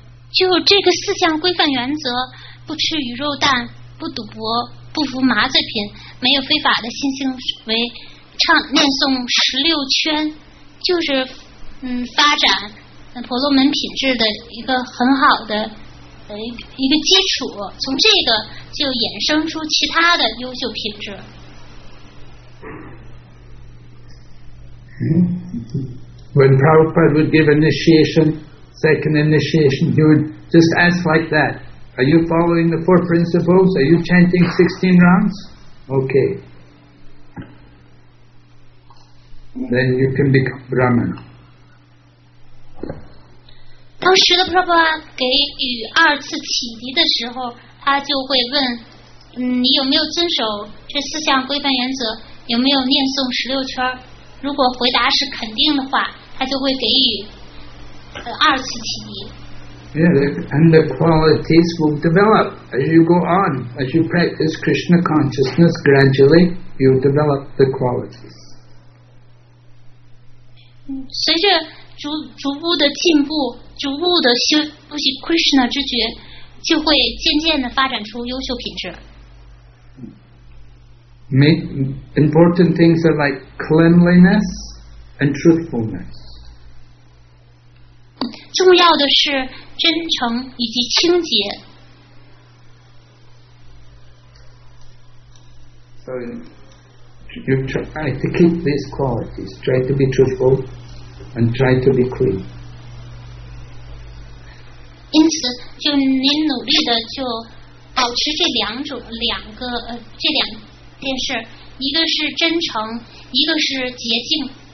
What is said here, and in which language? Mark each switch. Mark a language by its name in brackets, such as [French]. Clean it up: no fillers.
[Chinese] 就这个四项规范原则，不吃鱼肉蛋，不赌博，不服麻醉品，没有非法的性行为，唱念诵十六圈，就是发展婆罗门品质的一个很好的一个基础，从这个就衍生出其他的优秀品质。 [English] When Prabhupada would give initiation, second initiation, he would just ask like that, are you following the four principles? Are you chanting 16 rounds? Okay. Then you can become Brahmana. [Chinese] 当时的 Prabhupada 给予二次启迪的时候，他就会问你有没有遵守这四项规范原则，有没有念诵十六圈，如果回答是肯定的话，他就会给予二次启迪。 [English] Yeah, and the qualities will develop as you go on. As you practice Krishna consciousness gradually, you develop the qualities. [Chinese] 随着 逐步的进步，逐步的修习 Krishna 之觉，就会渐渐的发展出优秀品质。 [English] Important things are like cleanliness and truthfulness. [Chinese] 重要的是真诚以及清洁。 [English] So you try to keep these qualities. Try to be truthful and try to be clean. [Chinese] 因此，就您努力的就保持这两种两个这两。电视，一个是真诚，一个是洁净。